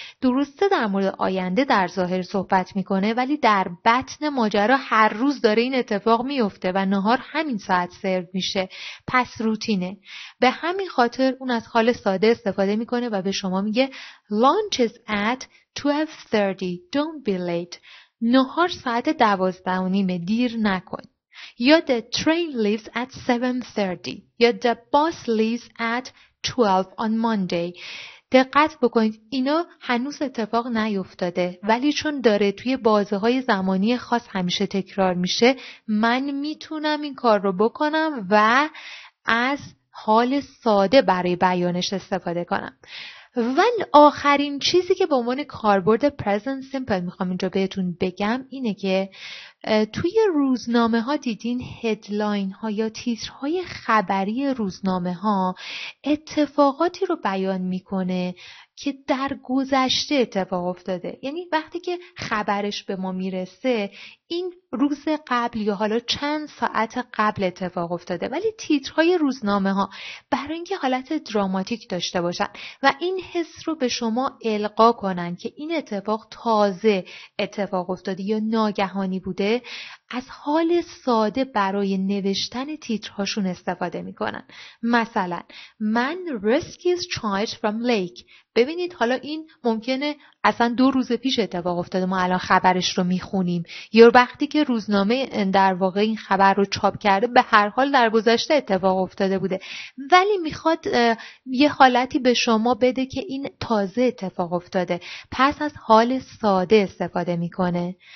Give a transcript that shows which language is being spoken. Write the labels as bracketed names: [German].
[Persian] درسته در مورد آینده در ظاهر صحبت میکنه، ولی در بطن ماجرا هر روز داره این اتفاق میفته و نهار همین ساعت سرو میشه، پس روتینه. به همین خاطر اون از حال ساده استفاده میکنه و به شما میگه [English] Lunch is at 12:30, don't be late. [Persian] نهار ساعت 12:30، دیر نکن. یا [English] the train leaves at 7:30 یا the bus leaves at 12 on Monday. [Persian] دقت بکنید اینا هنوز اتفاق نیفتاده، ولی چون داره توی بازه‌های زمانی خاص همیشه تکرار میشه، من میتونم این کار رو بکنم و از حال ساده برای بیانش استفاده کنم. و آخرین چیزی که به عنوان کاربرد Present Simple میخوام اینجا بهتون بگم اینه که توی روزنامه ها دیدین هدلاین ها یا تیترهای خبری روزنامه ها اتفاقاتی رو بیان میکنه که در گذشته اتفاق افتاده. یعنی وقتی که خبرش به ما میرسه، این روز قبل یا حالا چند ساعت قبل اتفاق افتاده، ولی تیترهای روزنامه ها برای اینکه حالت دراماتیک داشته باشن و این حس رو به شما القا کنن که این اتفاق تازه اتفاق افتاده یا ناگهانی بوده، از حال ساده برای نوشتن تیترهاشون استفاده میکنن. مثلا من [English] risky is charged from lake. [Persian] ببینید حالا این ممکنه اصلا دو روز پیش اتفاق افتاده، ما الان خبرش رو میخونیم، یا وقتی که روزنامه در واقع این خبر رو چاپ کرده، به هر حال در گذشته اتفاق افتاده بوده، ولی میخواد یه حالتی به شما بده که این تازه اتفاق افتاده، پس از حال ساده استفاده میکنه.